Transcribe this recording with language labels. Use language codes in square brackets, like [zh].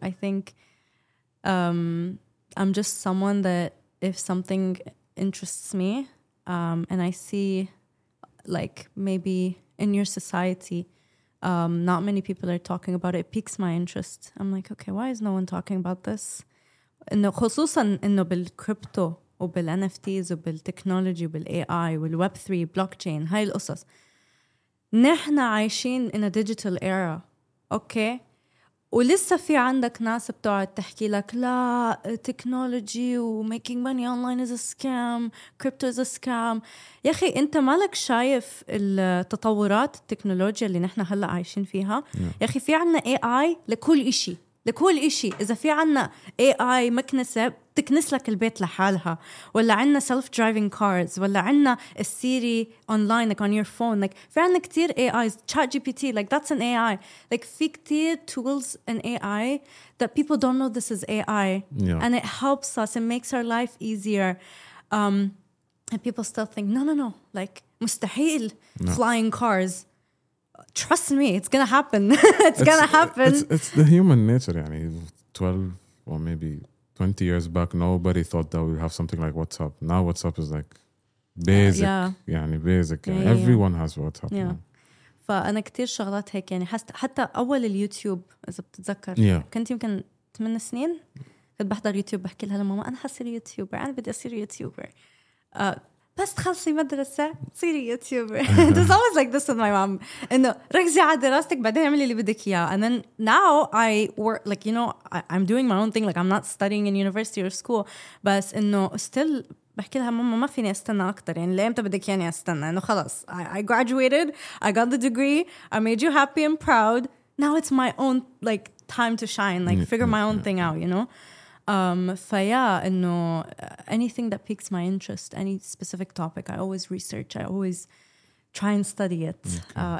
[en] I think I'm just someone that if something interests me and I see like maybe in your society not many people are talking about it, it piques my interest. I'm like, okay, why is no one talking about this? [ar] إنه خصوصاً إنه بالcrypto وبالNFTs وبالtechnology وبالAI والWeb3 blockchain هاي القصص. نحن عايشين [en] in a digital era, okay, [ar] ولسه في عندك ناس بتقعد تحكي لك لا [en] technology وmaking money online is a scam, crypto is a scam. [ar] يا أخي أنت مالك شايف التطورات التكنولوجيا اللي نحن هلا عايشين فيها؟ يا أخي في عنا AI لكل إشي. لكل إشي. إذا في عنا AI مكنسة تكنس لك البيت لحالها, ولا عنا [en] self-driving cars, ولا عنا Siri online like on your phone, like [ar] في عنا كتير [en] AIs, ChatGPT, like that's an AI, like [ar] في كتير [en] tools and AI that people don't know this is AI. Yeah. And it helps us, it makes our life easier. And people still think no, like مستحيل flying cars. Trust me, it's gonna happen. It's gonna happen. It's the human nature. I mean, 12 or maybe 20 years back, nobody thought that we have something like WhatsApp. Now WhatsApp is like basic. Yeah. يعني basic. Yeah, everyone has WhatsApp. Yeah. [ar] فأنا كتير شغلات هيك يعني حتى أول اليوتيوب إذا بتتذكر. [en] Yeah. [ar] كنت يمكن 8 سنين كنت بحضر يوتيوب بحكي لها لماما أنا حصير يوتيوبر, أنا بدي أصير يوتيوبر. بس تخلصي مدرسة صيري يوتيوبر. [en] It was always like this with my mom. [ar] إنه ركزي على دراستك بعدين اعملي اللي بدك إياه. [en] And then now I work like, you know, I'm doing my own thing. Like I'm not studying in university or school. [ar] بس إنه still بحكي لها ماما ما فيني أستنى أكتر. يعني ليه أمتى بدك يعني أستنى؟ إنه خلاص. [en] I graduated. I got the degree. I made you happy and proud. Now it's my own like time to shine. Like figure my own thing out, you know. Yeah, no, anything that piques my interest, any specific topic, I always research, I always try and study it, okay.